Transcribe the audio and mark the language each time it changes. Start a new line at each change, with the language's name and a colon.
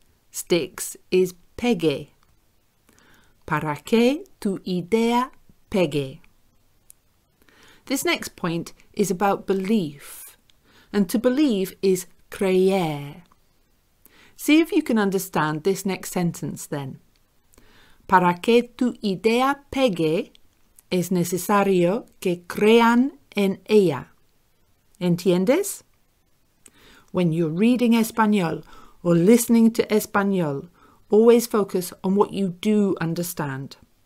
Spanish: Sticks is pegue. ¿Para qué tu idea pegue?
English: This next point is about belief. And to believe is creer. See if you can understand this next sentence then.
Spanish: ¿Para que tu idea pegue, es necesario que crean en ella? ¿Entiendes?
English: When you're reading Español or listening to Español, always focus on what you do understand.